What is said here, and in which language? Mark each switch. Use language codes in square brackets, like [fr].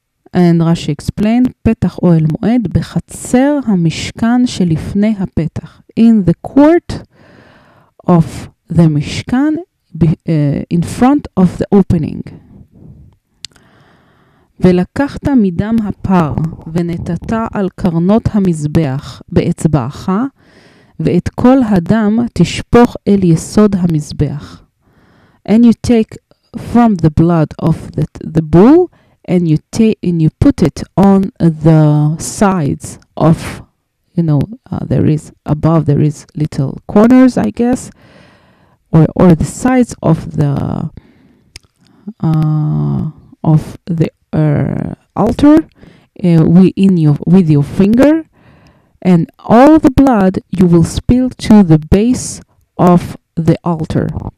[en] And Rashi explained, [he] פתח אוהל מועד בחצר המשכן שלפני הפתח. [en] In the court of the משכן, in front of the opening. [he] ולקחת מדם הפר ונתת על קרנות המזבח באצבעך, ואת כל הדם תשפוך אל יסוד המזבח. [en] And you take from the blood of the bull, and you put it on the sides of you know, there is above, there is little corners, I guess, or the sides of the altar, with your finger, and all the blood you will spill to the base of the altar.